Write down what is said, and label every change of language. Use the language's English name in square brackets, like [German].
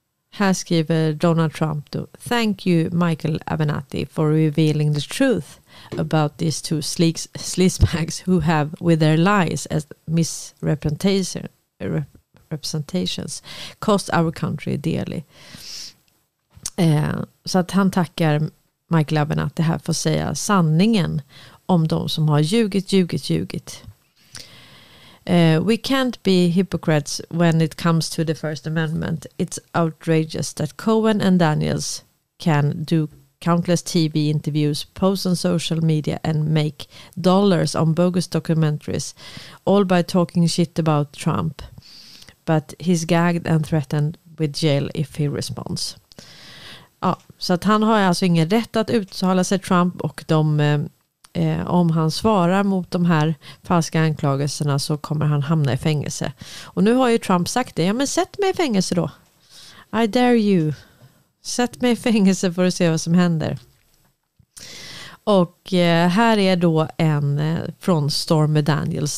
[Swedish] Här skriver Donald Trump då: [English] "Thank you, Michael Avenatti, for revealing the truth about these two sleazebags who have, with their lies as misrepresentations, cost our country dearly." [Swedish] Så att han tackar Michael Avenatti här för att säga sanningen om de som har ljugit. [English] "We can't be hypocrites when it comes to the First Amendment. It's outrageous that Cohen and Daniels can do countless TV interviews, posts on social media and make dollars on bogus documentaries, all by talking shit about Trump. But he's gagged and threatened with jail if he responds." [Swedish] Ja, så att han har alltså ingen rätt att uttala sig, Trump, och de, om han svarar mot de här falska anklagelserna så kommer han hamna i fängelse. Och nu har ju Trump sagt det, ja men sätt mig i fängelse då. [English] I dare you. [Swedish] Sätt mig i fängelse för att se vad som händer. Och här är då en från Stormy Daniels.